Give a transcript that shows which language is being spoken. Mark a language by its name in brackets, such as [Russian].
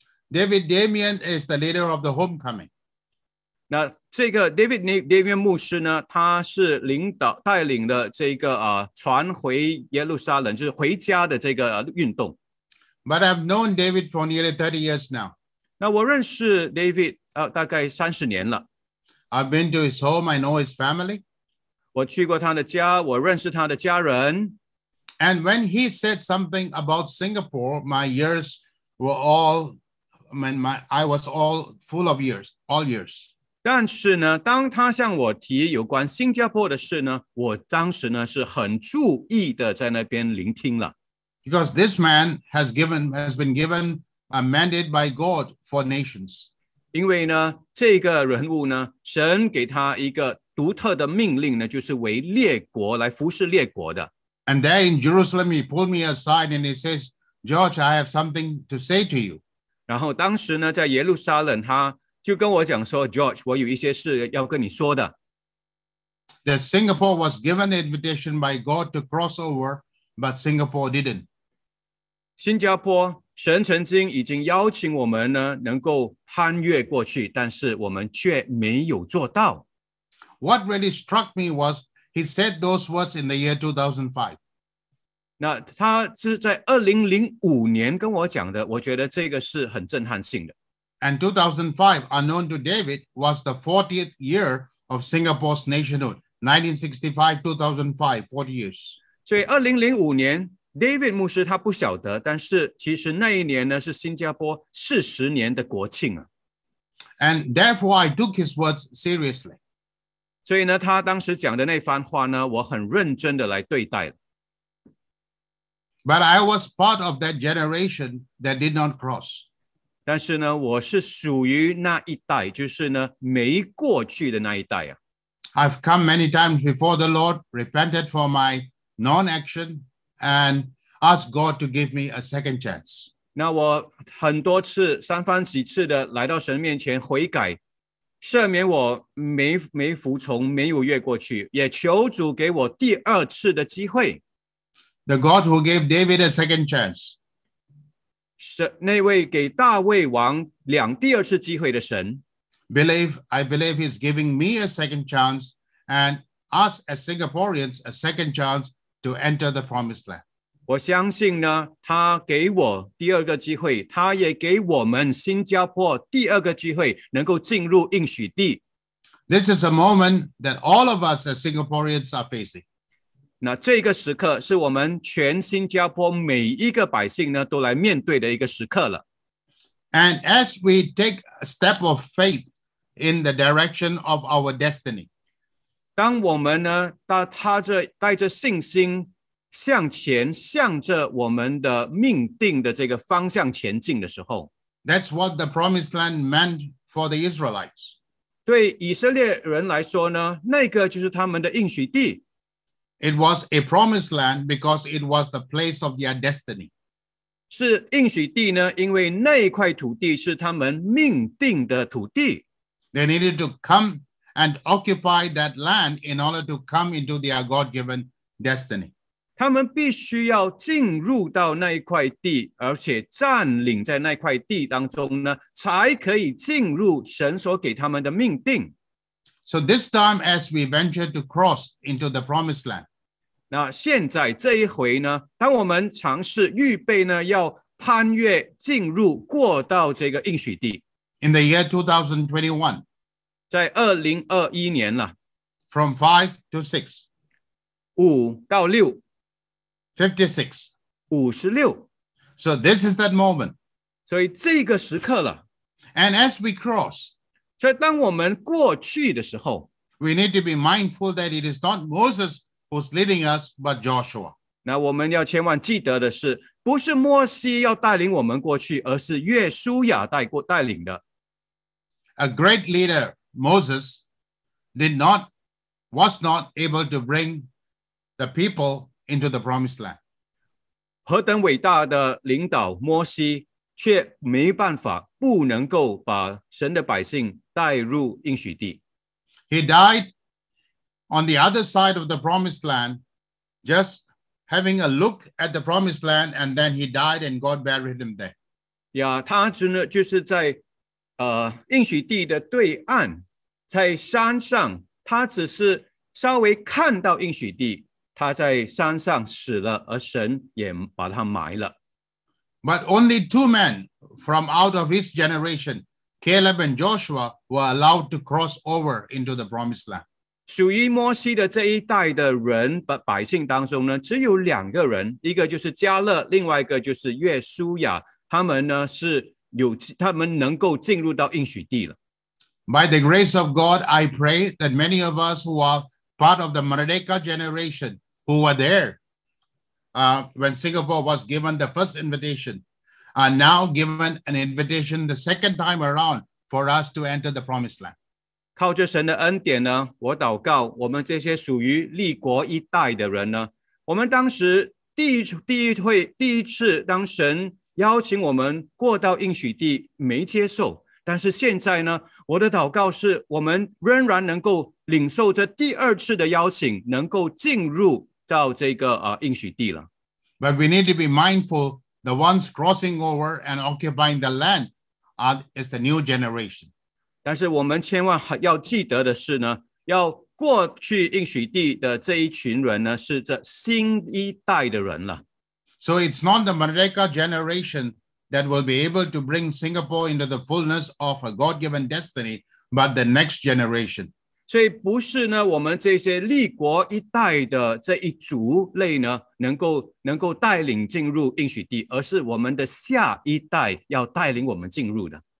[English] David Damien is the leader of the homecoming. [Chinese] 那这个 David 牧师呢，他是领导带领的这个传回耶路撒冷，就是回家的这个运动。 [English] But I've known David for nearly 30 years now. [Chinese] 那我认识 David 大概30年了。 [English] I've been to his home, I know his family. [Chinese] 我去过他的家，我认识他的家人。 [English] And when he said something about Singapore, my ears were all, I was all full of ears, all ears. [Chinese] 但是呢，当他向我提有关新加坡的事呢，我当时呢是很注意的在那边聆听了。 [English] Because this man has been given a mandate by God for nations. [Chinese] 因为呢，这个人物呢，神给他一个独特的命令呢，就是为列国来服侍列国的。 [English] And there in Jerusalem, he pulled me aside and he says, "George, I have something to say to you." [Chinese] 然后当时呢，在耶路撒冷他。就跟我讲说 George, 我有一些事要跟你说的。 [English] The Singapore was given the invitation by God to cross over, but Singapore didn't. [Chinese] 新加坡神曾经已经邀请我们呢能够攀越过去，但是我们却没有做到。 [English] What really struck me was he said those words in the year 2005. [Chinese] 那他是在2005年跟我讲的，我觉得这个是很震撼性的。 [English] And 2005, unknown to David, was the 40th year of Singapore's nationhood. 1965-2005, 40 years. [Chinese] 所以2005年 ,David 牧师他不晓得，但是其实那一年呢是新加坡40年的国庆啊。 [English] And therefore, I took his words seriously. [Chinese] 所以呢他当时讲的那番话呢我很认真的来对待了。 [English] But I was part of that generation that did not cross. [Chinese] 但是呢，我是属于那一代，就是呢，没过去的那一代啊。 [English] I've come many times before the Lord, repented for my non-action, and asked God to give me a second chance. [Chinese] 那我很多次，三番几次的来到神面前悔改，赦免我没服从，没有越过去，也求主给我第二次的机会。 [English] The God who gave David a second chance. [Chinese] 那位给大卫王两第二次机会的神 [English] I believe he's giving me a second chance and us as Singaporeans a second chance to enter the promised land. [Chinese] 我相信呢他给我第二个机会他也给我们新加坡第二个机会能够进入应许地。 [English] This is a moment that all of us as Singaporeans are facing. [Chinese] 那这个时刻是我们全新加坡每一个百姓呢都来面对的一个时刻了。 [English] And as we take a step of faith in the direction of our destiny, [Chinese] 当我们呢带着信心向前，向着我们的命定的这个方向前进的时候 [English] ，That's what the promised land meant for the Israelites. [Chinese] 对以色列人来说呢，那个就是他们的应许地。 [English] It was a promised land because it was the place of their destiny. [Chinese] 是应许地呢，因为那一块土地是他们命定的土地。 [English] They needed to come and occupy that land in order to come into their God-given destiny. [Chinese] 他们必须要进入到那一块地，而且占领在那块地当中呢，才可以进入神所给他们的命定。 [English] So this time, as we venture to cross into the promised land, [Chinese] 那现在这一回呢，当我们尝试预备呢，要攀越进入过到这个应许地。 [English] In the year 2021, [Chinese] 在2021年了。 [English] From 5 to 6, 5 to 6, 56, 56. So this is that moment. [Chinese] 所以这个时刻了。 [English] And as we cross. [Chinese] 所以当我们过去的时候 [English] We need to be mindful that it is not Moses who's leading us, but Joshua. [Chinese] 那我们要千万记得的是，不是摩西要带领我们过去，而是约书亚带领的。 [English] A great leader, Moses, was not able to bring the people into the promised land. [Chinese] 何等伟大的领导摩西，却没办法，不能够把神的百姓带入应许地。 [English] He died on the other side of the promised land, just having a look at the promised land, and then he died and God buried him there. [Chinese] Yeah, 他只能就是在应许地的对岸，在山上，他只是稍微看到应许地，他在山上死了，而神也把他埋了。 [English] But only two men from out of his generation, Caleb and Joshua, were allowed to cross over into the promised land. [Chinese] 属于摩西的这一代的人，百姓当中呢，只有两个人，一个就是加勒，另外一个就是约书亚，他们呢是有他们能够进入到应许地了。 [English] By the grace of God, I pray that many of us who are part of the Merdeka generation who were there when Singapore was given the first invitation are now given an invitation the second time around for us to enter the promised land. [Chinese] 靠着神的恩典呢，我祷告我们这些属于立国一代的人呢，我们当时第一次当神邀请我们过到应许地没接受，但是现在呢，我的祷告是我们仍然能够领受这第二次的邀请，能够进入到这个应许地了。 [English] But we need to be mindful the ones crossing over and occupying the land is the new generation. [Chinese] 但是我们千万要记得的是呢，要过去应许地的这一群人呢，是这新一代的人了。 [English] So it's not the Merdeka generation that will be able to bring Singapore into the fullness of a God-given destiny, but the next generation. [Chinese] 所以不是呢，我们这些立国一代的这一族类呢，能够带领进入应许地，而是我们的下一代要带领我们进入的。